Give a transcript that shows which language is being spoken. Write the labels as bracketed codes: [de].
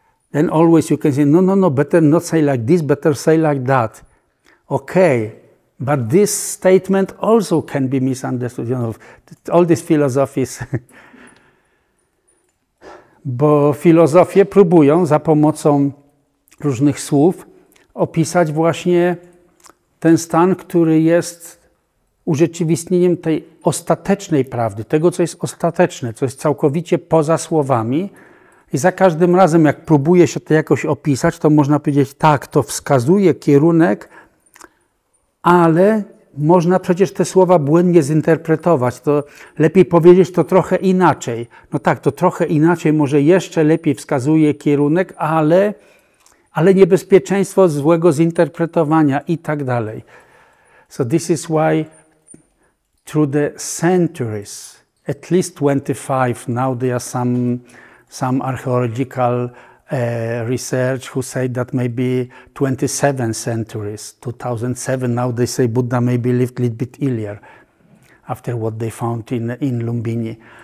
[en] Then always you can say, no, better not say like this, better say like that. Okay, but this statement also can be misunderstood, you know, all these philosophies. [pl] Bo filozofie próbują za pomocą różnych słów opisać właśnie ten stan, który jest urzeczywistnieniem tej ostatecznej prawdy, tego, co jest ostateczne, co jest całkowicie poza słowami. I za każdym razem, jak próbuje się to jakoś opisać, to można powiedzieć, tak, to wskazuje kierunek, ale można przecież te słowa błędnie zinterpretować. To lepiej powiedzieć to trochę inaczej. No tak, to trochę inaczej, może jeszcze lepiej wskazuje kierunek, ale niebezpieczeństwo złego zinterpretowania i tak dalej. [en] So this is why through the centuries, at least 25, now there are some archaeological research who say that maybe 27 centuries, 2007, now they say Buddha maybe lived a little bit earlier after what they found in Lumbini.